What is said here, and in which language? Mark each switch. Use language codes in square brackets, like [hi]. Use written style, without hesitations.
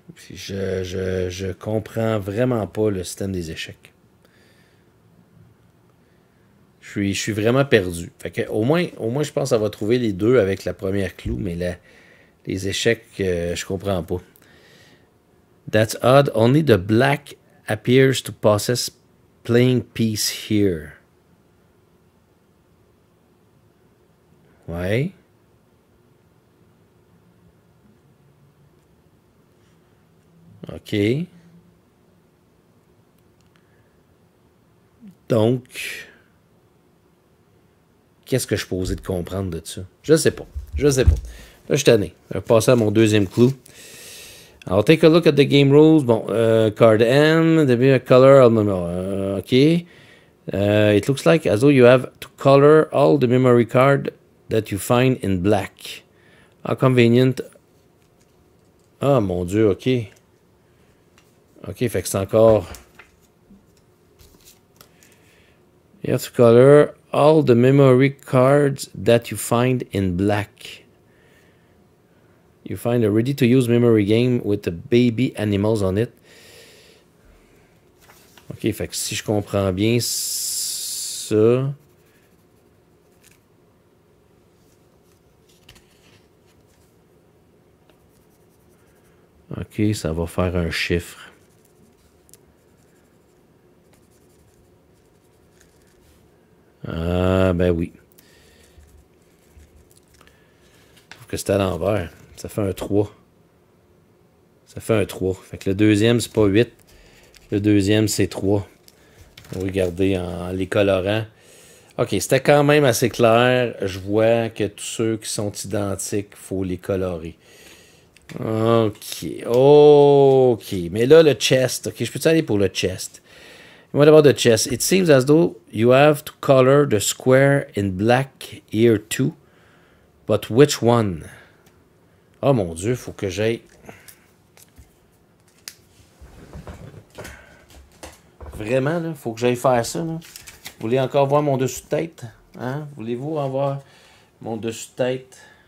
[fr] Je comprends vraiment pas le système des échecs. Je suis vraiment perdu. Fait que au moins je pense avoir trouvé les deux avec la première clou, mais les échecs, je comprends pas. [en] That's odd. Only the black appears to possess playing piece here. [fr] Ouais. OK. Donc, qu'est-ce que je peux oser de comprendre de ça? Je sais pas. Là, je suis tanné. Je vais passer à mon deuxième clou. [en] I'll take a look at the game rules. Bon, card M, the color, OK. It looks like as though you have to color all the memory card that you find in black. How convenient. [fr] Ah, mon Dieu, OK. OK, fait que c'est encore... [en] You have to color all the memory cards that you find in black. You find a ready-to-use memory game with the baby animals on it. [fr] OK, fait que si je comprends bien ça. OK, ça va faire un chiffre. Ah, ben oui. Faut que c'est à l'envers. Ça fait un 3. Ça fait un 3. Fait que le deuxième, c'est pas 8. Le deuxième, c'est 3. Regardez en les colorant. OK, c'était quand même assez clair. Je vois que tous ceux qui sont identiques, il faut les colorer. OK. OK. Mais là, le chest. OK, je peux-tu aller pour le chest? [en] What about the chest? It seems as though you have to color the square in black here too. But which one? [fr] Oh mon Dieu, il faut que j'aille. Vraiment, là, faut que j'aille faire ça, là. Vous voulez encore voir mon dessus de tête? Hein? Voulez-vous en voir mon dessus de tête?